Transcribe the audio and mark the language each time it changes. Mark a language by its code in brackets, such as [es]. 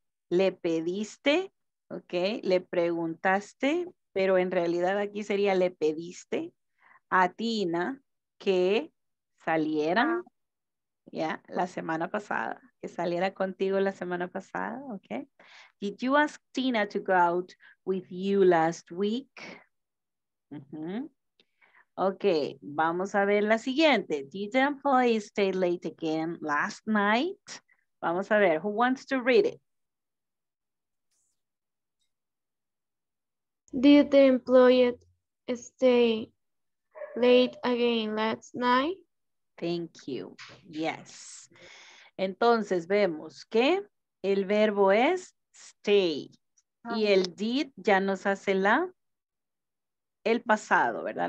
[es] Le pediste, ok, le preguntaste, pero en realidad aquí sería le pediste a Tina que saliera, ya, yeah, la semana pasada. Que saliera contigo la semana pasada, ¿ok? [en] Did you ask Tina to go out with you last week? Ok, [es] vamos a ver la siguiente. [en] Did the employee stay late again last night? [es] Vamos a ver, [en] who wants to read it? Did the employee stay late again last night? Thank you, yes. [es] Entonces vemos que el verbo es stay y el did ya nos hace la el pasado, ¿verdad?